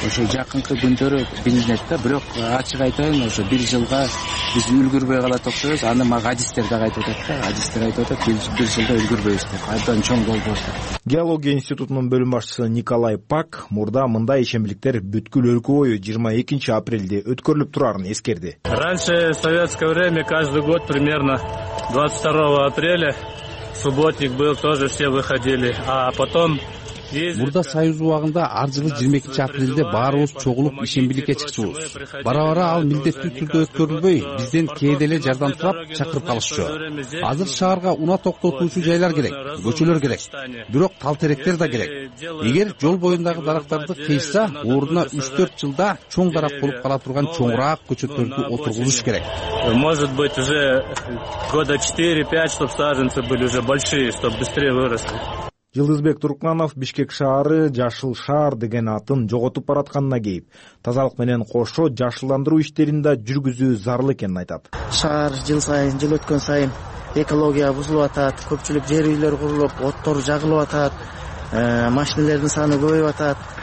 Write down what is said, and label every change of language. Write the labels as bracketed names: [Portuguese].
[Kyrgyz] Ошо жакынкы күндөрү билинет да, бирок ачык айтайын, ошо бир жылга биз үлгүрбөй калат окшойбуз. Аны мага адистер дагы айтып атат да, адистер айтып атат, биз бир жылда үлгүрбөйбүз деп, абдан чоң болбойбуз деп. Геология институтунун бөлүм башчысы Николай Пак мурда мындай ишембиликтер бүткүл өлкө бою 22 апрелде өткөрүлүп турарын эскерди. [Russian] Раньше в советское время каждый год примерно 22 апреля субботник был, тоже все выходили. А потом [Kyrgyz] мурда союз убагында ар жылы 22 апрелде баарыбыз чогулуп ишембиликке чыкчубуз. Бара бара ал милдеттүү түрдө өткөрүлбөй, бизден кээде эле жардам сурап чакырып калышчу. Азыр шаарга уна токтотуучу жайлар керек, көчөлөр керек, бирок тал теректер да керек. Эгер жол боюндагы дарактарды кыйса, ордуна 3-4 жылда чоң дарак болуп кала турган чоңураак көчөттөрдү отургузуш керек. [Russian] Может быть уже года 4-5, чтобы саженцы были уже большие, чтобы быстрее выросли. [Kyrgyz] Жылдызбек Туркманов Бишкек шаары жашыл шаар деген атын жоготуп баратканына кейип, тазалык менен кошо жашылдандыруу иштерин да жүргүзүү зарыл экенин айтат. Шаар жыл сайын, жыл өткөн сайын экология бузулуп атат, көпчүлүк жер үйлөр курулуп, оттор жагылып атат, машинелердин саны көбөйүп атат.